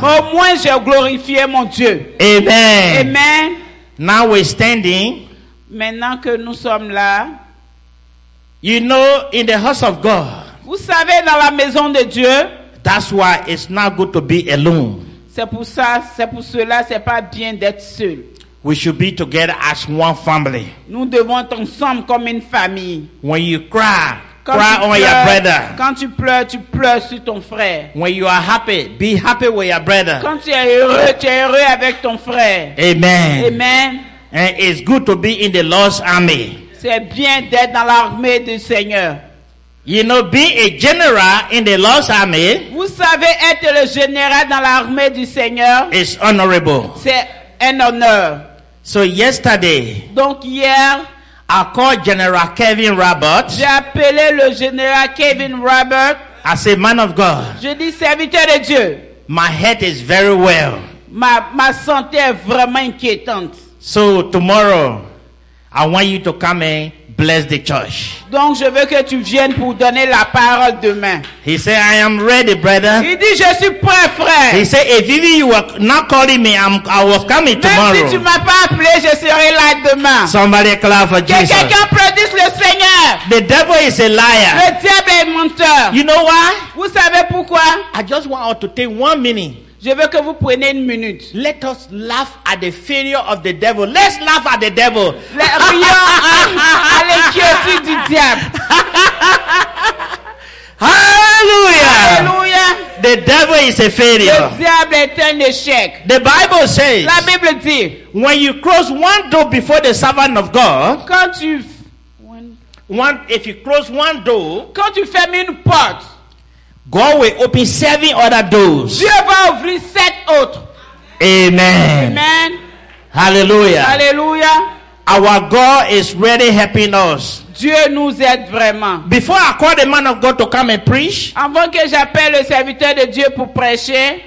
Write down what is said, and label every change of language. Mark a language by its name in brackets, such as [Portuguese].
[French] Au moins j'ai glorifié mon Dieu. [English] Amen. Amen. Now we're standing. [French] Maintenant que nous sommes là. [English] You know, in the house of God. [French] Vous savez, dans la maison de Dieu. [English] That's why it's not good to be alone. [French] C'est pour ça, c'est pour cela, c'est pas bien d'être seul. [English] We should be together as one family. [French] Nous devons être ensemble comme une famille. [English] When you cry. Cry on your brother. [French] Quand tu pleures sur ton frère. [English] When you are happy, be happy with your brother. [French] Quand tu es heureux avec ton frère. [English] Amen. Amen. And it's good to be in the Lord's army. [French] C'est bien d'être dans l'armée du Seigneur. [English] You know, being a general in the Lord's army. [French] Vous savez être le général dans l'armée du Seigneur. [English] It's honorable. [French] C'est un honneur. [English] So yesterday. [French] Donc hier. [English] I called General Kevin Roberts. [French] J'ai appelé le général Kevin Roberts. [English] I said, man of God. [French] Je dis, serviteur de Dieu. [English] My head is very well. [French] Ma santé est vraiment inquiétante. [English] So tomorrow, I want you to come and bless the church. [French] Donc je veux que tu viennes pour donner la parole demain. [English] He said, I am ready, brother. [French] Il dit, je suis prêt, frère. [English] He said, if you were not calling me, I was coming tomorrow. [French] Même si tu m'as pas appelé, je serai là demain. [English] Somebody clap for [French] que [English] Jesus. [French] Que quelqu'un prédise le Seigneur. [English] The devil is a liar. [French] Le diable est menteur. [English] You know why? [French] Vous savez pourquoi? [English] I just want to take 1 minute. [French] Je veux que vous preniez une minute. [English] Let us laugh at the failure of the devil. Let's laugh at the devil. [French] Rions à l'inquiétude du diable. [English] Hallelujah. Hallelujah. The devil is a failure. [French] Le diable est un échec. [English] The Bible says. [French] La Bible dit. [English] When you close one door before the servant of God. [French] Quand tu. [English] If you close one door. [French] Quand tu fermes une porte. [English] God will open 7 other doors. [French] Dieu va ouvrir 7 autres. [English] Amen. Amen. Hallelujah. Hallelujah. Our God is really helping us. [French] Dieu nous aide vraiment. [English] Before I call the man of God to come and preach. [French] Avant que j'appelle le serviteur de Dieu pour prêcher.